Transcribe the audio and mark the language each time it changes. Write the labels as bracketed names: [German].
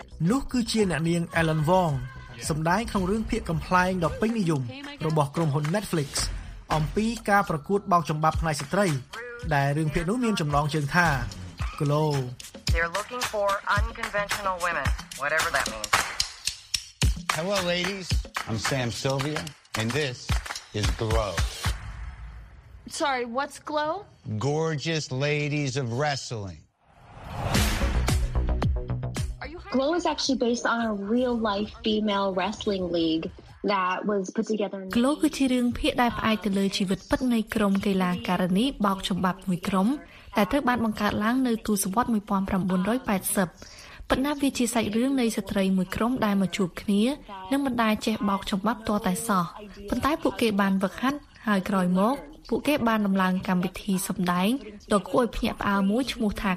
[Khmer] លោកគឺជាអ្នកនាង Ellen Wong សម្ដែងក្នុងរឿងភាគកំ plaign ដ៏ពេញនិយមរបស់ក្រុមហ៊ុន Netflix អំពីការប្រកួតបោកចំបាប់ផ្នែកស្ត្រីដែលរឿងភាគនោះមានចំណងជើងថា Glow [English] They're looking for unconventional women whatever that means Hello ladies I'm Sam Sylvia and this is Glow Sorry what's Glow Gorgeous ladies of wrestling Glow is actually based on a real life female wrestling league that was put together [Khmer] in Glow គឺជារឿងភាគដែលផ្អែកទៅលើជីវិតពិតនៃក្រុមកីឡាការិនីបោកចំបាប់មួយក្រុមដែលត្រូវបានបង្កើតឡើងនៅទសវត្សរ៍1980ប៉ុន្តែវាជាសាច់រឿងនៃស្ត្រីមួយក្រុមដែលមកជួបគ្នានិងបណ្ដាចេះបោកចំបាប់តតែសោះប៉ុន្តែពួកគេបានវឹកហាត់ហើយក្រោយមកពួកគេបានដំឡើងកម្មវិធីសម្ដែងដ៏គួរឲ្យភ្ញាក់ផ្អើលមួយឈ្មោះថា